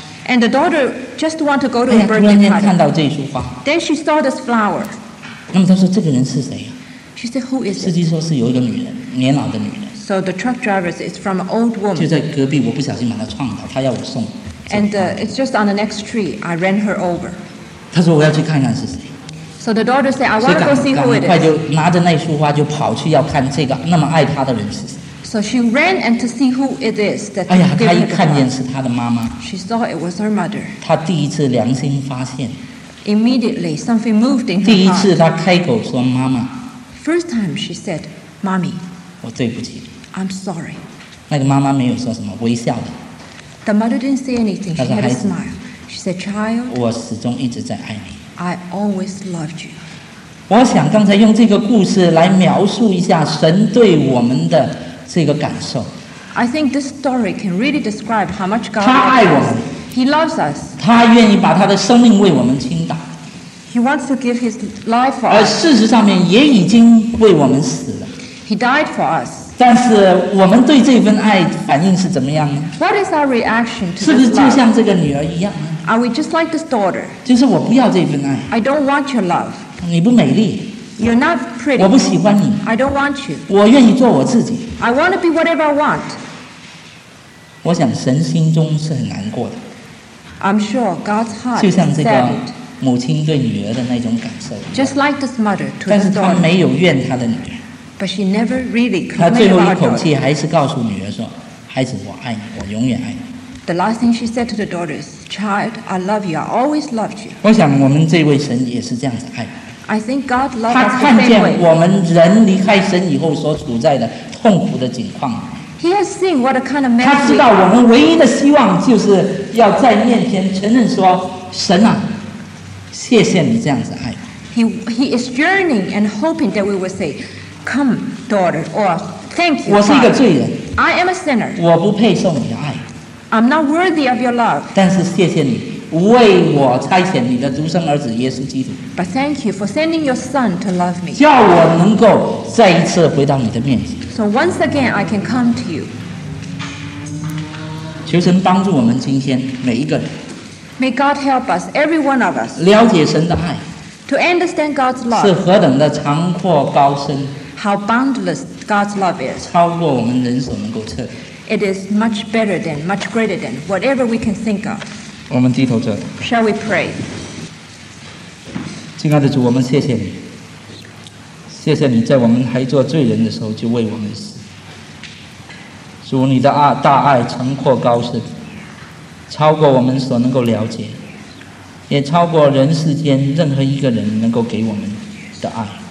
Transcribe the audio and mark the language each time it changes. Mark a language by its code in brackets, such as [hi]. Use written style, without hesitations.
[en] And the daughter just want to go to a birthday party. [zh] 突然间看到这一束花。 [en] Then she saw this flower. [zh] 那么她说这个人是谁呀？ [en] She said who is it? [zh] 司机说是有一个女人，年老的女人。 [en] So the truck driver says it's from an old woman. [zh] 就在隔壁，我不小心把她撞倒，她要我送。 [en] And it's just on the next street. I ran her over. [zh] 她说我要去看看是谁。 [en] So the daughter said, I want to go see who it is. [zh] 赶快就拿着那束花就跑去要看这个那么爱她的人是谁。 [en] So she ran and to see who it is that. [zh] 哎呀，她一看见是她的妈妈。 [en] She saw it was her mother. [zh] 她第一次良心发现。 [en] Immediately, something moved in her. [zh] 第一次她开口说妈妈。 [en] First time she said, "Mommy." [zh] 我对不起。 [en] I'm sorry. [zh] 那个妈妈没有说什么，微笑的。 [en] The mother didn't say anything. She had a smile. She said, "Child." [zh] 我始终一直在爱你。 [en] I always loved you. [zh] 我想刚才用这个故事来描述一下神对我们的这个感受。 [en] I think this story can really describe how much God. [zh] 他爱我们。 [en] He loves us. [zh] 他愿意把他的生命为我们倾倒。 [en] He wants to give his life for us. [zh] 而事实上面也已经为我们死了。 [en] He died for us. [zh] 但是我们对这份爱反应是怎么样呢？ [en] What is our reaction to this love? [zh] 是不是就像这个女儿一样呢？ [en] Are we just like this daughter? [zh] 就是我不要这份爱。 [en] I don't want your love. [zh] 你不美丽。 [en] You're not pretty. [zh] 我不喜欢你。 [en] I don't want you. [zh] 我愿意做我自己。 [en] I want to be whatever I want. [zh] 我想神心中是很难过的。 [en] I'm sure God's heart is sad. [zh] 就像这个母亲对女儿的那种感受。 [en] Just like this mother to the daughter. [zh] 但是她没有怨她的女儿。 [en] But she never really complained about [zh] 她最后一口气还是告诉女儿说：“孩子，我爱你，我永远爱你。” [en] The last thing she said to the daughter is. Child, I love you. I always loved you. [zh] 我想我们这位神也是这样子爱。 [en] I think God loves us the same way. [zh] 他看见我们人离开神以后所处在的痛苦的境况。 [en] He has seen what a kind of man. [zh] 他知道我们唯一的希望就是要在面前承认说，神啊，谢谢你这样子爱。 [en] He is yearning and hoping that we will say, "Come, daughter," or "Thank you." [zh] 我是一个罪人。 [en] I am a sinner. [zh] 我不配受你的爱。 [en] I'm not worthy of your love. [zh] 但是谢谢你为我差遣你的独生儿子耶稣基督。 [en] But thank you for sending your son to love me. [zh] 叫我能够再一次回到你的面前。 [en] So once again, I can come to you. [zh] 求神帮助我们今天每一个人。 [en] May God help us, every one of us. [zh] 了解神的爱。 [en] To understand God's love. [zh] 是何等的长阔高深。 [en] How boundless God's love is. [zh] 超过我们人所能够测。 [en] It is much better than, much greater than, whatever we can think of. [zh] 我们低头着。 [en] Shall we pray? [zh] 亲爱的主，我们谢谢你，谢谢你在我们还做罪人的时候就为我们死。主，你的爱大爱长阔高深，超过我们所能够了解，也超过人世间任何一个人能够给我们的爱。